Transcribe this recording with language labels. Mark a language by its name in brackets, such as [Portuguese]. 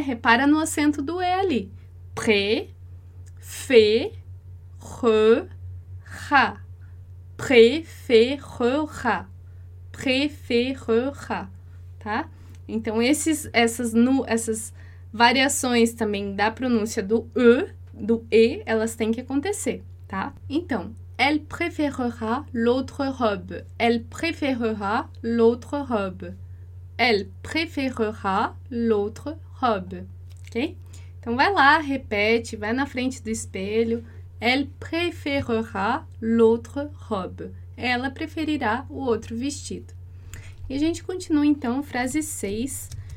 [Portuguese] Repara no acento do E ali. Pré, fé, re, ra. [French] Préférera. Préférera. Tá? [Portuguese] Então, essas variações também da pronúncia do E, elas têm que acontecer, tá? [French] Então, elle préférera l'autre robe. Elle préférera l'autre robe. Elle préférera l'autre robe. Ok? [Portuguese] Então, vai lá, repete, vai na frente do espelho. [French] Elle préférera l'autre robe. [Portuguese] Ela preferirá o outro vestido. E a gente continua então, frase 6.